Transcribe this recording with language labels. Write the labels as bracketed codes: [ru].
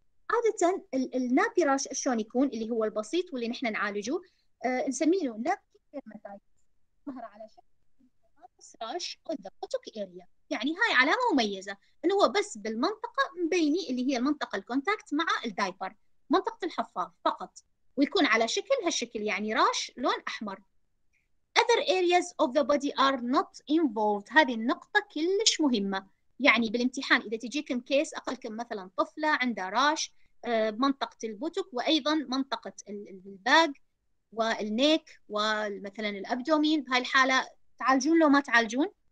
[ar] عادة النابي راش شلون يكون اللي هو البسيط واللي نحن نعالجه نسميه نابي ديرماتايتس، ظهر على شكل راش أوتوك إيريا، يعني هاي علامة مميزة إنه هو بس بالمنطقة مبيني اللي هي المنطقة الكونتاكت مع الدايبر، منطقة الحفاظ فقط، ويكون على شكل هالشكل يعني راش لون أحمر. [en] Other areas of the body are not involved. [ar] هذه النقطة كلش مهمة، يعني بالامتحان إذا تجيكم كيس أقلكم مثلا طفلة عندها راش منطقة البوتوك وأيضا منطقة الباق والنيك ومثلا الأبدومين، بهاي الحالة تعالجون لو ما تعالجون؟